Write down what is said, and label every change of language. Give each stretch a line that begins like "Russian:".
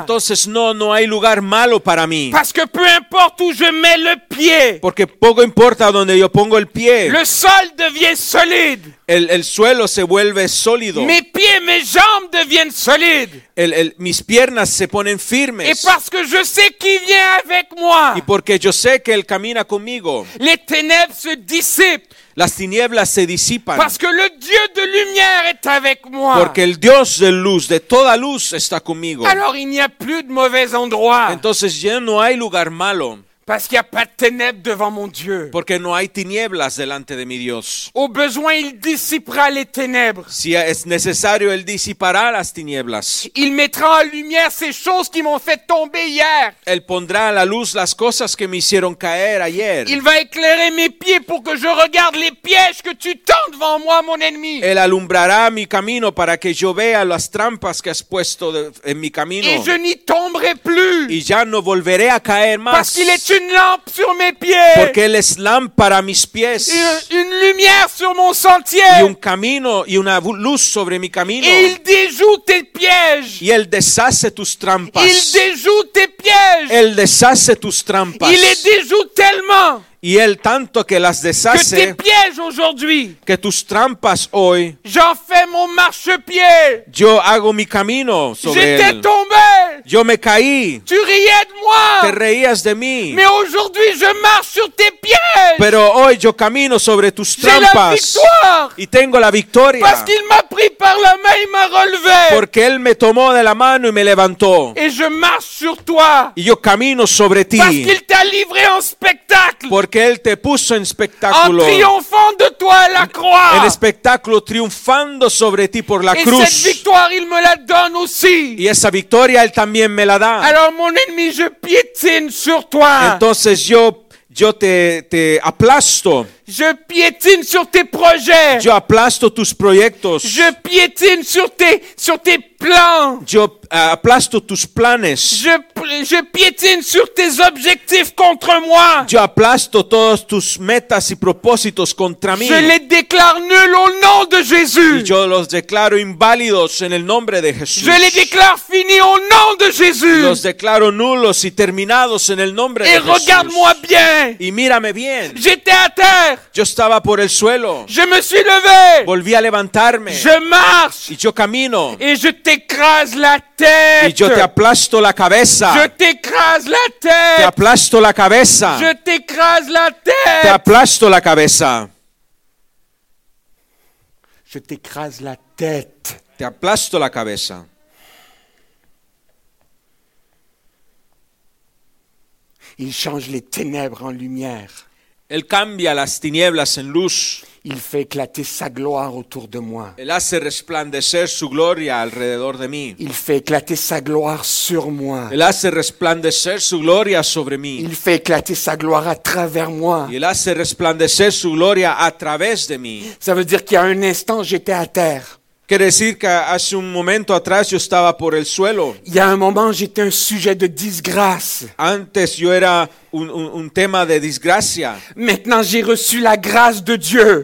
Spanish: Entonces no hay lugar malo para mí.
French: Parce que peu importe où je mets le pied.
Spanish: Porque poco importa donde yo pongo el pie.
French: Le sol devient solide.
Spanish: El suelo se vuelve sólido.
French: Mes pieds, mes jambes deviennent solides.
Spanish: Mis piernas se ponen firmes.
French: Et parce que je sais qui vient avec moi.
Spanish: Y porque yo sé que él camina conmigo.
French: Les ténèbres se dissipent.
Spanish: Las tinieblas se disipan.
French: Parce que le Dieu de lumière est avec moi.
Spanish: Porque el Dios de luz, de toda luz, está conmigo.
French: Alors il n'y a plus de mauvais endroit.
Spanish: Entonces ya no hay lugar malo.
French: Parce qu'il n'y a pas de ténèbres devant mon Dieu.
Spanish: Porque no hay tinieblas delante de mi Dios.
French: Au besoin, il dissipera les ténèbres.
Spanish: Si es necesario, él disipará las tinieblas.
French: Il mettra en lumière ces choses qui m'ont fait tomber hier.
Spanish: Él pondrá a la luz las cosas que me hicieron caer ayer.
French: Il va éclairer mes pieds pour que je regarde les pièges que tu tends devant moi, mon ennemi.
Spanish: Él alumbrará mi camino para que yo vea las trampas que has puesto en mi camino.
French: Et je n'y tomberai plus.
Spanish: Y ya no volveré a caer más.
French: Parce qu'il est une lampe sur mes pieds.
Spanish: Porque él es lámpara a mis pies.
French: Une lumière sur mon sentier.
Spanish: Y un camino y una luz sobre mi camino.
French: Et il déjoue tes pièges.
Spanish: Y él deshace tus trampas.
French: Il déjoue tes pièges.
Spanish: Él deshace tus trampas.
French: Il les déjoue tellement.
Spanish: Y él tanto que las deshace.
French: Que tes pièges aujourd'hui.
Spanish: Que tus trampas hoy.
French: J'en fais mon marchepied.
Spanish: Yo hago mi camino sobre
French: J'étais
Spanish: él.
French: J'étais tombé.
Spanish: Yo me caí.
French: Tu riais de moi.
Spanish: Te reías de mí.
French: Mais aujourd'hui je marche sur tes pièges.
Spanish: Pero hoy yo camino sobre tus trampas.
French: J'ai la victoire.
Spanish: Y tengo la victoria.
French: Parce qu'il m'a pris par la main, il m'a relevé.
Spanish: Porque él me tomó de la mano y me levantó.
French: Et je marche sur toi.
Spanish: Y yo camino sobre ti.
French: Parce qu'il t'a livré en spectacle.
Spanish: Porque él te puso en espectáculo.
French: En triunfant de toi à la croix.
Spanish: El espectáculo triunfando sobre ti por la
French: Et
Spanish: cruz.
French: Cette victoire, il me la donne aussi.
Spanish: Y esa victoria él también me la da.
French: Alors mon ennemi, je piétine sur toi.
Spanish: Entonces yo te aplasto.
French: Je piétine sur tes projets.
Spanish: Yo aplasto tus proyectos.
French: Je piétine sur tes plans.
Spanish: Yo aplasto tus planes.
French: Je piétine sur tes objectifs contre moi.
Spanish: Yo aplasto todos tus metas y propósitos contra mí.
French: Je les déclare nuls au nom de Jésus.
Spanish: Y yo los declaro inválidos en el nombre de Jesús.
French: Je les déclare finis au nom de Jésus.
Spanish: Los declaro nulos y terminados en el nombre
French: Et
Spanish: de
French: regarde-moi
Spanish: Jesús.
French: Bien.
Spanish: Y mírame bien.
French: J'étais à terre.
Spanish: Yo estaba por el suelo.
French: Je me suis levé.
Spanish: Volví a levantarme.
French: Je marche.
Spanish: Y yo camino.
French: Et je t'écrase la tête.
Spanish: Y yo te aplasto la cabeza.
French: Je t'écrase la tête.
Spanish: Te aplasto la cabeza.
French: Je t'écrase la tête.
Spanish: Te aplasto la cabeza.
French: Je t'écrase la tête.
Spanish: Te aplasto la cabeza.
French: Il change les ténèbres en lumière.
Spanish: Él cambia las tinieblas en luz.
French: Il fait éclater sa gloire autour de moi.
Spanish: Él hace resplandecer su gloria alrededor de mí.
French: Il fait éclater sa gloire sur moi.
Spanish: Él hace resplandecer su gloria sobre mí.
French: Il fait éclater sa gloire à travers moi.
Spanish: Y él hace resplandecer su gloria a través de mí.
French: Ça veut dire qu'il y a un instant j'étais à terre.
Spanish: Quiere decir que hace un momento atrás yo estaba por el suelo.
French: Y a un momento j'étais un sujet de disgrâce.
Spanish: Antes yo era un tema de desgracia.
French: Maintenant j'ai reçu la grâce de Dieu.